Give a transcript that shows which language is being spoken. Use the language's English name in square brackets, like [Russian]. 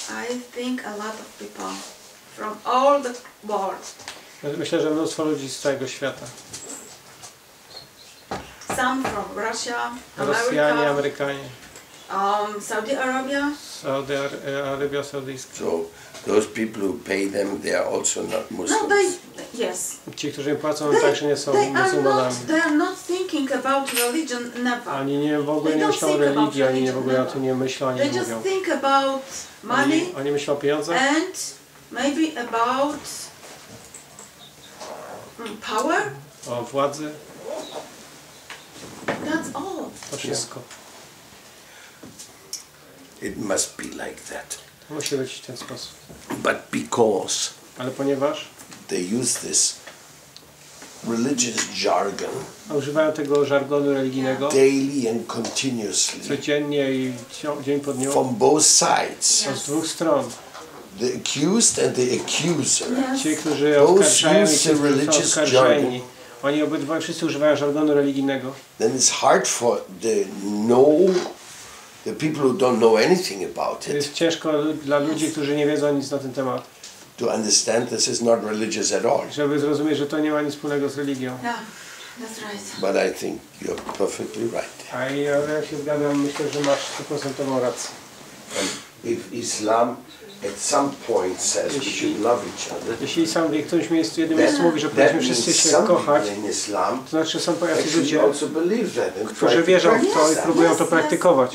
[English] I think a lot of people from all the world. [Polish] Myślę, że mnóstwo ludzi z całego świata. [English] Some from Russia, [Polish] Rosjanie, Amerykanie. [English] Saudi Arabia. Saudi Arabia, Saudi Arabia. So those people who pay them, they are also not Muslims. No, they, yes. [Polish] Ci, którzy im płacą, they, także nie są muzułmanami. [English] They are not thinking about religion, never. [Polish] Ani nie w ogóle nie myślą o religii, ani nie w ogóle o tym nie myślą, ani [English] they [Polish] nie mówią. [English] They just think about money. [Polish] Oni myślą o pieniądzach. [English] And maybe about power. [Polish] O władzy. [English] That's all. [Polish] To wszystko. [English] It must be like that. [Polish] Musi być w ten sposób. [English] But because [Polish] ale ponieważ [English] they use this religious jargon. [Polish] Używają tego żargonu religijnego. [English] Daily and continuously. [Polish] Codziennie i dzień po dniu. [English] From both sides. [Polish] Z dwóch stron. [English] The accused and the accuser. [Polish] Ci, którzy oskarżają, i ci, którzy są oskarżeni. Oni obydwaj wszyscy używają żargonu religijnego. [English] Then it's hard for the no. The people who don't know anything about it. [Polish] Jest ciężko dla ludzi, którzy nie wiedzą nic na ten temat. [English] To understand this is not religious at all. [Polish] Żeby zrozumieć, że to nie ma nic wspólnego z religią. [English] Yeah, that's right. But I think you're perfectly right. [Polish] A ja się zgadzam, myślę, że masz 100% rację. [English] And if Islam at some point says we should love each other. [Polish] Jeśli Islam w jakimś miejscu, jednym miejscu mówi, że powinniśmy wszyscy się kochać, Islam, to znaczy, że są pojacy ludzie, którzy wierzą w to i próbują to praktykować.